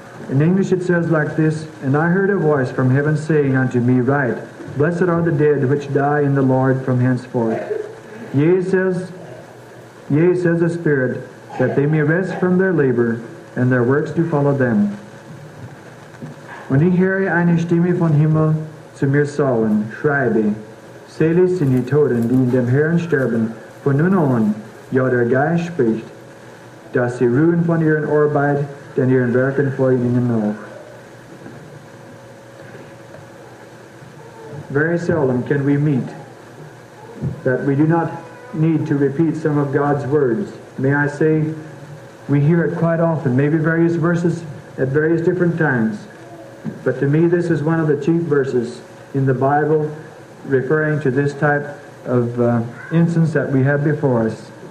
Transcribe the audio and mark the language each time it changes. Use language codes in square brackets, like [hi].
[en] In English it says like this, "And I heard a voice from heaven saying unto me, Write, blessed are the dead which die in the Lord from henceforth. Yea, says the Spirit, that they may rest from their labor, and their works do follow them. [de] Und ich höre eine Stimme von Himmel zu mir sagen, Schreibe, selig sind die Toten, die in dem Herrn sterben, von nun an, ja der Geist spricht, dass sie ruhen von ihren Arbeit, denn ihren Werken folgen ihnen noch." [en] Very seldom can we meet that we do not need to repeat some of God's words. May I say, we hear it quite often, maybe various verses at various different times. But to me, this is one of the chief verses in the Bible referring to this type of instance that we have before us.